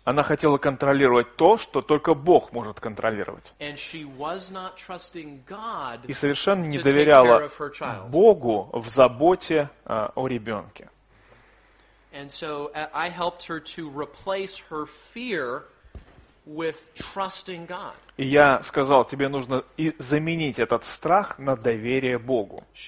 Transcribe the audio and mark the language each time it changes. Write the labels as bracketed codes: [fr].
[ru] Она хотела контролировать то, что только Бог может контролировать. [en] And she was not trusting God [ru] и совершенно не доверяла Богу в заботе о ребенке. [en] And so I helped her to replace her fear with trusting God. [ru] И я сказал, тебе нужно и заменить этот страх на доверие Богу.